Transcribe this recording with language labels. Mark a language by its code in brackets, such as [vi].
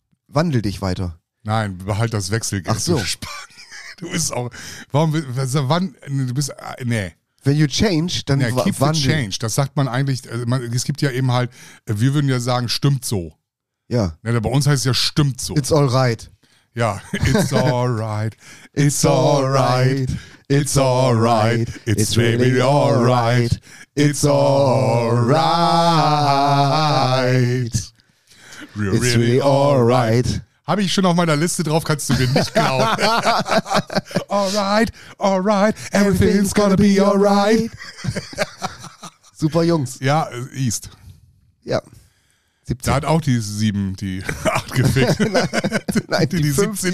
[de] Wandel dich weiter. Nein, behalt das Wechselgeld. Ach so. Du bist auch, warum, was, wann, du bist, nee. [en] When you change, [de] dann wandel. [en] Keep the change, [de] das sagt man eigentlich, also man, es gibt ja eben halt, wir würden ja sagen, stimmt so. Ja. Ne, bei uns heißt es ja, stimmt so. [en] It's all right. [de] Ja, [en] it's all right, it's all right, it's all right, it's really all right, it's all right, really it's really all right. [de] Habe ich schon auf meiner Liste drauf, kannst du mir nicht glauben. [en] all right, everything's gonna be all right. [de] Super Jungs. Ja, East. Ja. 17. Da hat auch die 7, die 8 gefickt. Nein, die 17,